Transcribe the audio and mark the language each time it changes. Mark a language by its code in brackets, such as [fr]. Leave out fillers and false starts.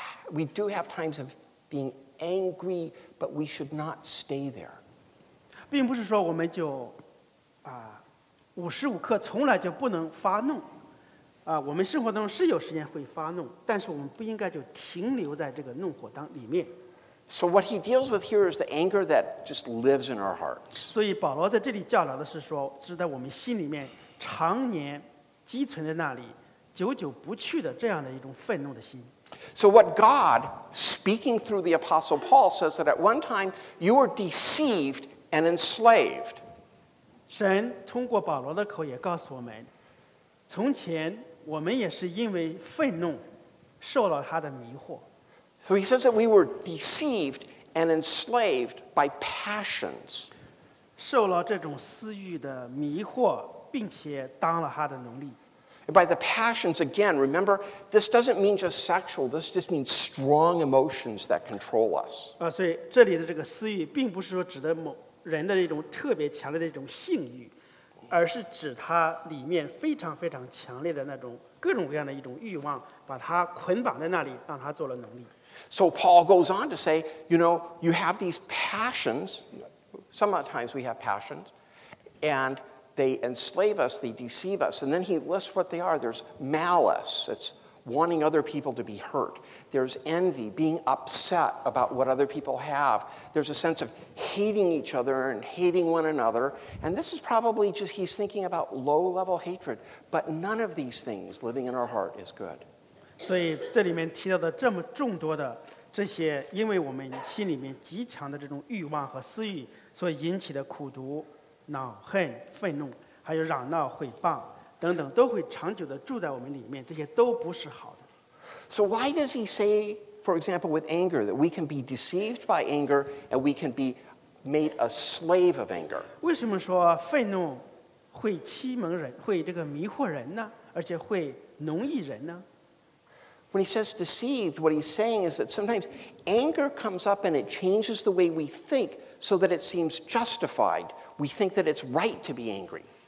[en] We do have times of being angry, but we should not stay there. [zh] 并不是说我们就无时无刻从来就不能发怒，我们生活中是有时间会发怒，但是我们不应该就停留在这个怒火当里面。 [en] So what he deals with here is the anger that just lives in our hearts. [zh] 所以保罗在这里教导的是说，是在我们心里面常年积存在那里，久久不去的这样的一种愤怒的心。 [en] So what God, speaking through the Apostle Paul, says that at one time you were deceived and enslaved. [zh] 神通过保罗的口也告诉我们，从前我们也是因为愤怒受了他的迷惑。 [en] So he says that we were deceived and enslaved by passions. [zh] 受了这种私欲的迷惑，并且当了他的奴隶。 [en] By the passions, again, remember, this doesn't mean just sexual, this just means strong emotions that control us. [zh] 所以这里的这个私欲并不是说指的某人的一种特别强烈的一种性欲，而是指它里面非常非常强烈的那种各种各样的一种欲望，把它捆绑在那里，让它做了奴隶。 [en] So Paul goes on to say, you know, you have these passions, sometimes we have passions, and they enslave us, they deceive us, and then he lists what they are. There's malice, it's wanting other people to be hurt. There's envy, being upset about what other people have. There's a sense of hating each other and hating one another. And this is probably just, he's thinking about low-level hatred, but none of these things living in our heart is good. [zh] 所以这里面提到的这么众多的这些因为我们心里面极强的这种欲望和私欲所引起的苦毒恼恨愤怒还有嚷闹毁谤等等都会长久地住在我们里面这些都不是好的 [en] So why does he say for example with anger that we can be deceived by anger and we can be made a slave of anger [zh] 为什么说愤怒会欺蒙人会这个迷惑人呢而且会奴役人呢 [en] When he says deceived what he's saying is that sometimes anger comes up and it changes the way we think so that it seems justified we think that it's right to be angry